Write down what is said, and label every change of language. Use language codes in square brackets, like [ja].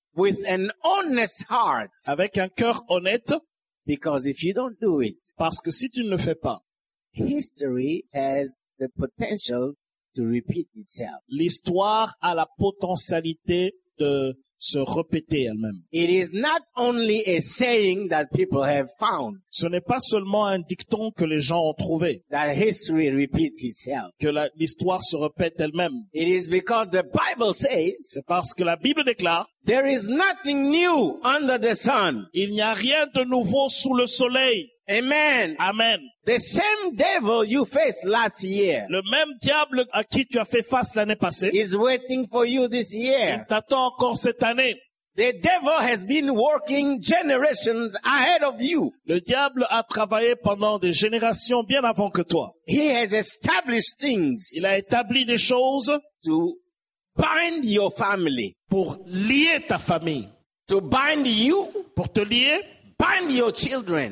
[en] With an honest heart. [fr] Avec un cœur honnête. [en] Because if you don't do it. [fr] Parce que si tu ne le fais pas. [en] History has the potential to repeat itself. [fr] L'histoire a la potentialité de se répéter elle-même. [en] It is not only a saying that people have found. [fr] Ce n'est pas seulement un dicton que les gens ont trouvé. [en] That history repeats itself. [fr] Que l'histoire se répète elle-même. [en] It is because the Bible says. [fr] C'est parce que la Bible déclare. [en] There is nothing new under the sun. [fr] Il n'y a rien de nouveau sous le soleil. [en] Amen. [fr] Amen. [en] The same devil you faced last year. [fr] Le même diable à qui tu as fait face l'année passée. [en] Is waiting for you this year. [fr] Il t'attend encore cette année. [en] The devil has been working generations ahead of you. [fr] Le diable a travaillé pendant des générations bien avant que toi. [en] He has established things. [fr] Il a établi des choses. [en] To bind your family. [fr] Pour lier ta famille. [en] to bind you, [fr] pour te lier, [en] bind your children,